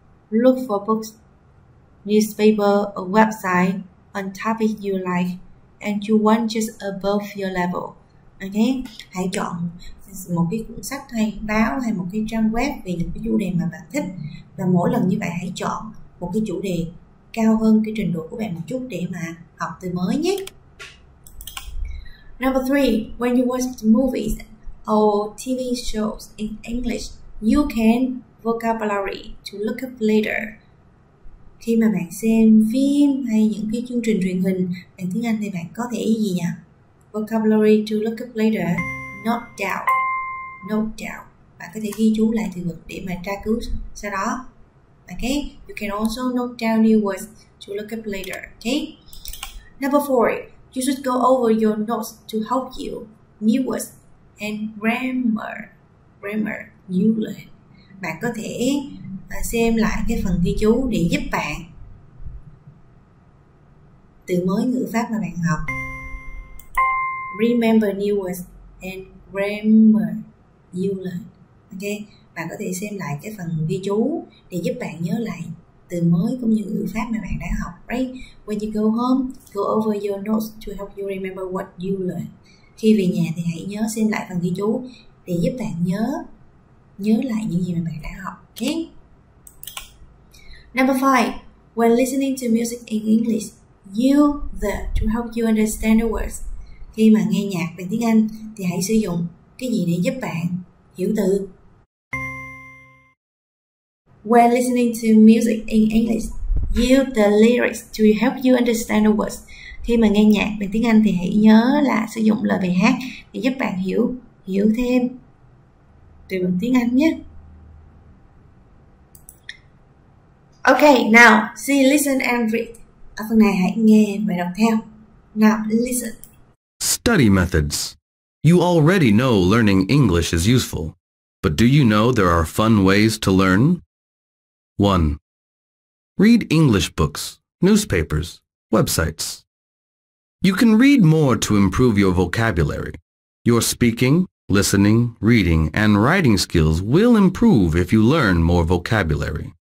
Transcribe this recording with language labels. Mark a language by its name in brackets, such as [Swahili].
[English] Look for books, newspaper or website on topic you like and you want just above your level. Okay. [Vietnamese] Hãy chọn một cái cuốn sách hay báo hay một cái trang web về những cái chủ đề mà bạn thích, và mỗi lần như vậy hãy chọn một cái chủ đề cao hơn cái trình độ của bạn một chút để mà học từ mới nhé. [English] Number 3, when you watch movies or TV shows in English, you can vocabulary to look up later. [Vietnamese] Khi mà bạn xem phim hay những cái chương trình truyền hình bằng tiếng Anh thì bạn có thể gì nhỉ? [English] Vocabulary to look up later, no doubt. [Vietnamese] Bạn có thể ghi chú lại từ vựng để mà tra cứu sau đó. [English] Okay, you can also note down new words to look up later. Okay, number 4, you should go over your notes to help you new words and grammar you learn. [Vietnamese] Bạn có thể xem lại cái phần ghi chú để giúp bạn từ mới ngữ pháp mà bạn học. [English] Remember new words and grammar you learn. [Vietnamese] Okay, bạn có thể xem lại cái phần ghi chú để giúp bạn nhớ lại từ mới cũng như ngữ pháp mà bạn đã học, right? [English] When you go home, go over your notes to help you remember what you learn. [Vietnamese] Khi về nhà thì hãy nhớ xem lại phần ghi chú để giúp bạn nhớ lại những gì mà bạn đã học. [English] Okay. Number 5, when listening to music in English, use the to help you understand the words. [Vietnamese] Khi mà nghe nhạc bằng tiếng Anh thì hãy sử dụng cái gì để giúp bạn hiểu từ. [English] When listening to music in English, use the lyrics to help you understand the words. [Vietnamese] Khi mà nghe nhạc bằng tiếng Anh thì hãy nhớ là sử dụng lời bài hát để giúp bạn hiểu thêm từ vựng tiếng Anh nhé. [English] Okay, now, see, listen and read. [Vietnamese] Ở phần này hãy nghe và đọc theo. [English] Now listen. Study methods. You already know learning English is useful, but do you know there are fun ways to learn? 1. Read English books, newspapers, websites. You can read more to improve your vocabulary. Your speaking, listening, reading, and writing skills will improve if you learn more vocabulary.